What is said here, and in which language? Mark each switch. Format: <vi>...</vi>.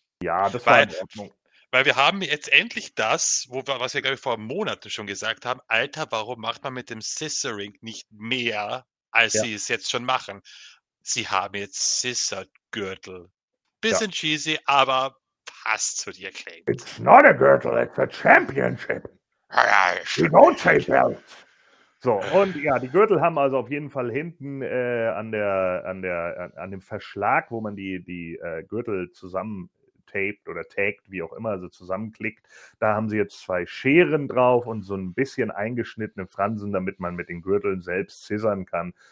<de>Ja, das war in Ordnung. Weil wir haben jetzt endlich das, was wir, glaube ich, vor Monaten schon gesagt haben. Alter, warum macht man mit dem Scissoring nicht mehr, als sie es jetzt schon machen? Sie haben jetzt Scissor-Gürtel. Bisschen cheesy, aber passt zu dir, Claim.</de> <en>It's not a Gürtel, it's a Championship. She don't say belts.</en> <de>So, und ja, die Gürtel haben also auf jeden Fall hinten an dem Verschlag, wo man die Gürtel zusammentaped oder tagged, wie auch immer, also zusammenklickt, da haben sie jetzt zwei Scheren drauf und so ein bisschen eingeschnittene Fransen, damit man mit den Gürteln selbst scissern kann.</de>